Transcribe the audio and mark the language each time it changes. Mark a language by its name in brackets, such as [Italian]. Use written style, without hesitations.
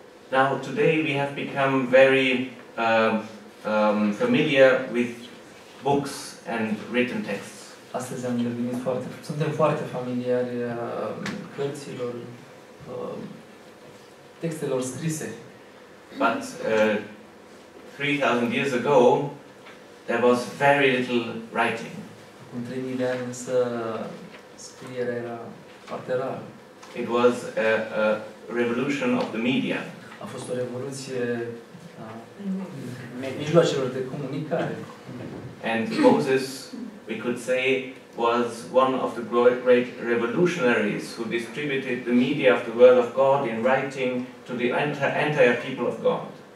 [English] Now today we have become very familiar with books and written texts. [Romanian] Astăzi am devenit foarte, suntem foarte familiari cărților, textelor scrise. [English] But 3000 years ago there was very little writing. [Romanian] În 3000 de ani, însă, scrierea era foarte rară. [English] It was a revolution of the media. [Romanian] A fost o revoluție a mijloacelor de comunicare. [English] And Moses, we could say, was one of the great revolutionaries who distributed the media of the word of God in writing to the entire people of God.